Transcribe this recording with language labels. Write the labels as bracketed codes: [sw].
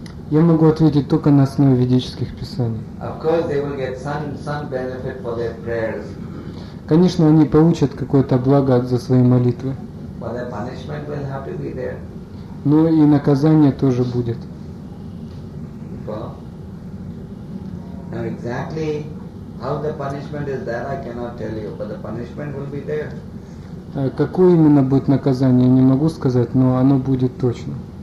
[ru] Я могу ответить только на основе ведических писаний. [en] Of course they will get some benefit for their prayers. [ru] Конечно, они получат какое-то благо за свои молитвы. [en] But their punishment will have to be there. [ru] Но и наказание тоже будет. [en] Well, now exactly how the punishment is there, I cannot tell you, but the punishment will be there. [ru] Какое именно будет наказание, не могу сказать, но оно будет точно.